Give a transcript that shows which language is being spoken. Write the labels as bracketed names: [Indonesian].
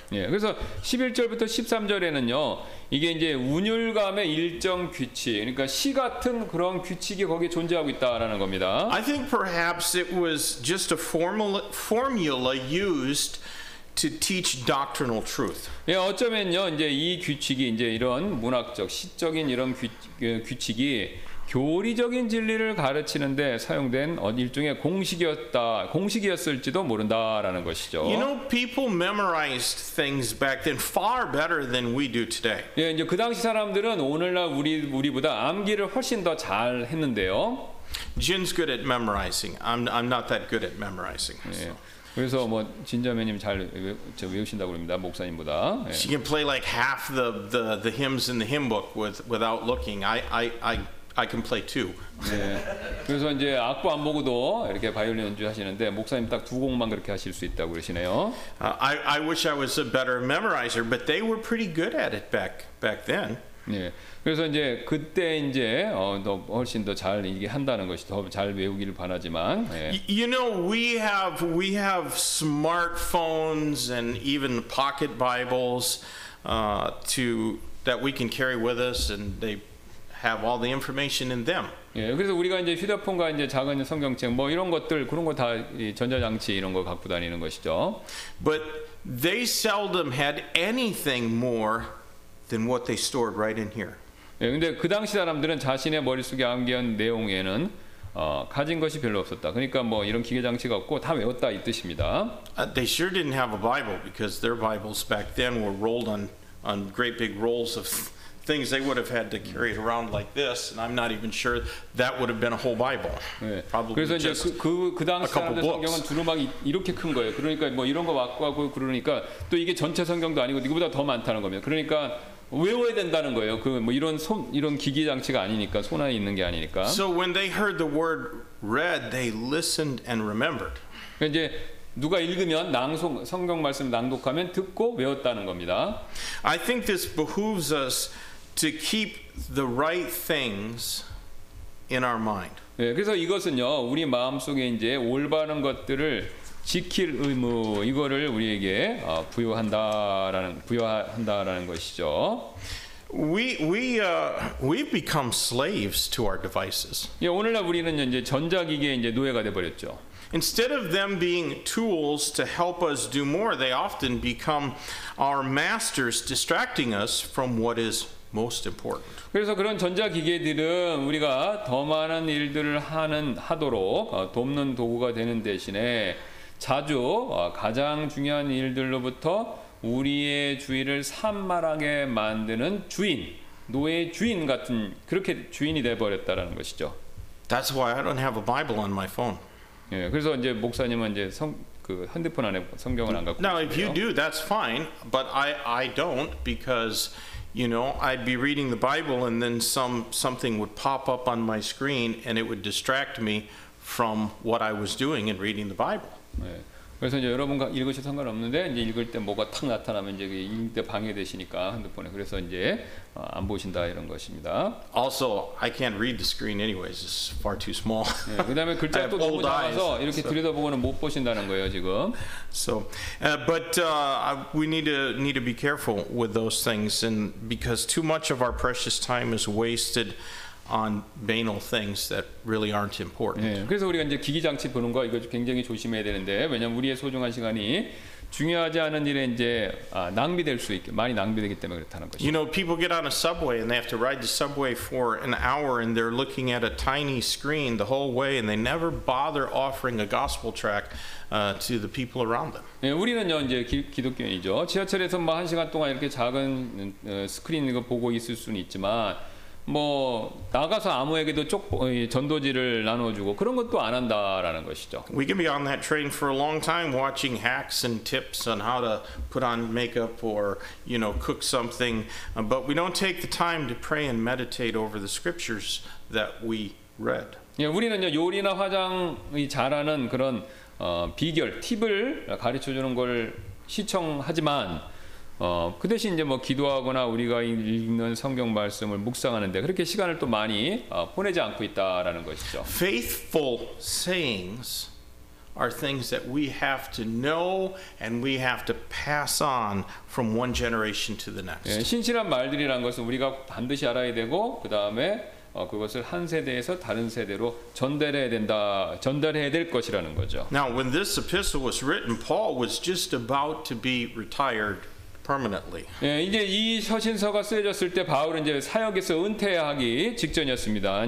[Korean] 예, 그래서 11절부터 13절에는요, 이게 이제 운율감의 일정 규칙, 그러니까 시 같은 그런 규칙이 거기 존재하고 있다라는 겁니다. [English] I think perhaps it was just a formula used to teach doctrinal truth. [Korean] 예, 어쩌면요, 이제 이 규칙이 이제 이런 문학적, 시적인 이런 규칙이 교리적인 진리를 가르치는 데 사용된 일종의 공식이었다. 공식이었을지도 모른다라는 것이죠. [English] You know, people memorized things back then far better than we do today. [Korean] 예, 이제 그 당시 사람들은 오늘날 우리보다 암기를 훨씬 더 잘 했는데요. [English] Jin's good at memorizing. I'm not that good at memorizing. [Korean] 예. 그래서 뭐 진자매님 잘 외우신다고 합니다. 목사님보다. 예. [English] She can play like half the hymns in the hymn book without looking. I can play two. [Korean] 네. 그래서 이제 악보 안 보고도 이렇게 바이올린 연주하시는데 목사님 딱 두 곡만 그렇게 하실 수 있다고 그러시네요. [English] I wish I was a better memorizer, but they were pretty good at it back then. [Korean] 예. 그래서 이제 그때 이제 더 훨씬 더 잘 이게 한다는 것이 더 잘 외우기를 바라지만. 예. [English] You know, we have smartphones and even pocket Bibles that we can carry with us, and they have all the information in them. [Korean] 예. 그래서 우리가 이제 휴대폰과 이제 작은 성경책 뭐 이런 것들 그런 거 다 전자장치 이런 거 갖고 다니는 것이죠. [English] But they seldom had anything more than what they stored right in here. [Korean] 예, 근데 그 당시 사람들은 자신의 머릿속에 암기한 내용에는 가진 것이 별로 없었다. 그러니까 뭐 이런 기계 장치가 없고 다 외웠다 이 뜻입니다. [English] They sure didn't have a Bible because their Bibles back then were rolled on great big rolls of things they would have had to carry around like this, and I'm not even sure that would have been a whole Bible. Probably [Korean] 그래서 이제 그 당시 사람들 성경은 두루마기 이렇게 큰 거예요. 그러니까 뭐 이런 거 갖고 하고 그러니까 또 이게 전체 성경도 아니고 이거보다 더 많다는 겁니다. 그러니까 외워야 된다는 거예요. 그 뭐 이런 손 이런 기기 장치가 아니니까 손 안에 있는 게 아니니까. [English] So when they heard the word read, they listened and remembered. [Korean] 이제 누가 읽으면 낭송 성경 말씀을 낭독하면 듣고 외웠다는 겁니다. [English] I think this behooves us to keep the right things in our mind. [Korean] 예, 그래서 이것은요 우리 마음 속에 이제 올바른 것들을 지킬 의무 이거를 우리에게 부여한다라는 것이죠. [English] We've become slaves to our devices. [Korean] 예, 오늘날 우리는 이제 전자기기에 이제 노예가 돼 버렸죠. [English] Instead of them being tools to help us do more, they often become our masters, distracting us from what is most important. [Korean] 그래서 그런 전자기계들은 우리가 더 많은 일들을 하도록 돕는 도구가 되는 대신에 자주 가장 중요한 일들로부터 우리의 주의를 산만하게 만드는 주인, 노예 주인 같은 그렇게 주인이 돼 버렸다라는 것이죠. [English] That's why I don't have a Bible on my phone. [Korean] 예, 그래서 이제 목사님은 이제 그 핸드폰 안에 성경을 안 갖고 있어요. [English] Now if you do, that's fine, but I don't because you know, I'd be reading the Bible and then something would pop up on my screen and it would distract me from what I was doing in reading the Bible. [Korean] 네. 그래서 이제 여러분과 읽으셔도 상관없는데 이제 읽을 때 뭐가 탁 나타나면 이제 읽을 때 방해되시니까 핸드폰에 그래서 이제 안 보신다 이런 것입니다. [English] Also, I can't read the screen anyways. It's far too small. [Korean] 네. 그다음에 글자가 또 너무 작아서 이렇게 들여다보고는 못 보신다는 거예요, 지금. [English] So, but we need to be careful with those things and because too much of our precious time is wasted on banal things that really aren't important. [Korean] 예, 그래서 우리가 이제 기기 장치 보는 거 이거 굉장히 조심해야 되는데 왜냐면 우리의 소중한 시간이 중요하지 않은 일에 이제 낭비될 수 있게 많이 낭비되기 때문에 그렇다는 것이죠. [English] You know, people get on a subway and they have to ride the subway for an hour and they're looking at a tiny screen the whole way and they never bother offering a gospel track to the people around them. [Korean] 예, 우리는요 이제 기독교인이죠. 지하철에서 뭐 한 시간 동안 이렇게 작은 스크린 이거 보고 있을 수는 있지만 뭐 나가서 아무에게도 전도지를 나눠주고 그런 것도 안 한다라는 것이죠. [English] We can be on that train for a long time watching hacks and tips on how to put on makeup or you know cook something, but we don't take the time to pray and meditate over the scriptures that we read. [Korean] 예, 우리는요 요리나 화장이 잘하는 그런 비결, 팁을 가르쳐주는 걸 시청하지만. 그 대신 이제 뭐 기도하거나 우리가 읽는 성경 말씀을 묵상하는데 그렇게 시간을 또 많이 보내지 않고 있다라는 것이죠. [English] Faithful sayings are things that we have to know and we have to pass on from one generation to the next. [Korean] 예, 신실한 말들이란 것은 우리가 반드시 알아야 되고 그다음에 그것을 한 세대에서 다른 세대로 전달해야 될 것이라는 거죠. [English] Now when this epistle was written, Paul was just about to be retired. Permanently. [Korean] 예, 이제 이 서신서가 쓰여졌을 때 바울은 이제 사역에서 은퇴하기 직전이었습니다.